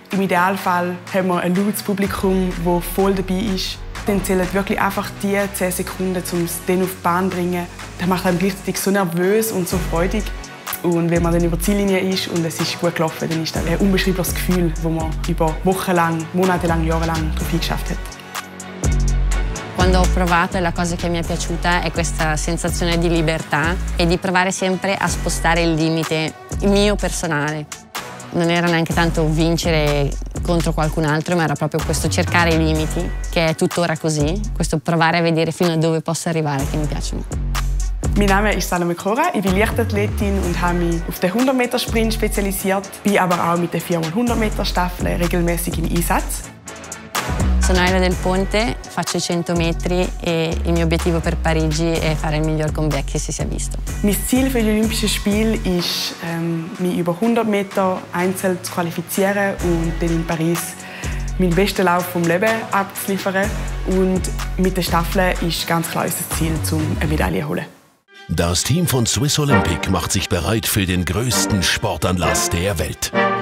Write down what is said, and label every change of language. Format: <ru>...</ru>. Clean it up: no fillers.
<de>Im Idealfall hat man ein lautes Publikum, das voll dabei ist. Dann zählen wirklich einfach die 10 Sekunden, um es dann auf die Bahn zu bringen. Das macht einen gleichzeitig so nervös und so freudig. Und wenn man dann über die Ziellinie ist und es ist gut gelaufen, dann ist das ein unbeschreibliches Gefühl, das man über wochenlang, monatelang, jahrelang darauf geschafft hat.</de> <it>Quando ho provato, la cosa che mi è piaciuta è questa sensazione di libertà e di provare sempre a spostare il limite mio personale. Non era neanche tanto vincere contro qualcun altro, ma era proprio questo cercare i limiti, che è tuttora così, questo provare a vedere fino a dove posso arrivare, che mi piace.</it> <de>Mein Name ist Salome Cora, ich bin Leichtathletin und habe mich auf den 100-Meter-Sprint spezialisiert, bin aber auch mit der 4x100-Meter-Staffel regelmäßig im Einsatz.</de> <it>Sono Elena del Ponte, faccio 100 metri e il mio obiettivo per Parigi è fare il miglior comeback che si sia visto. Il mio</it> <de>Ziel</de> <it>per gli</it> <de>Olimpischen Spiele è mich über 100 Meter einzeln zu qualifizieren und dann in Paris meinen besten Lauf vom Leben abzuliefern. Und mit der Staffel ist ganz klar unser Ziel, um eine Medaille zu holen. Das Team von Swiss Olympic macht sich bereit für den größten Sportanlass der Welt.</de>